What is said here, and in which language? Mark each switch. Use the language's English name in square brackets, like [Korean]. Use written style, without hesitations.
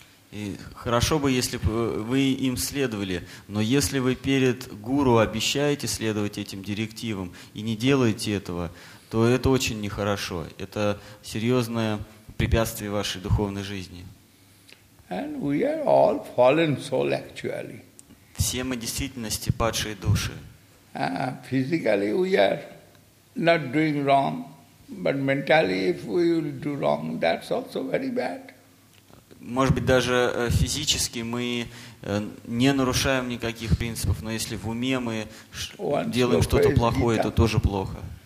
[Russian] И хорошо бы, если бы вы им следовали, но если вы перед гуру обещаете следовать этим директивам и не делаете этого, то это очень нехорошо. Это серьезное препятствие вашей духовной жизни. [English] And we are all fallen soul actually. [Russian] Все мы действительности падшие души. [English] Physically we are not doing wrong, but mentally if we will do wrong, that's also very bad. [Russian] Может быть, даже физически мы не нарушаем никаких принципов, но если в уме мы делаем что-то плохое, это тоже плохо.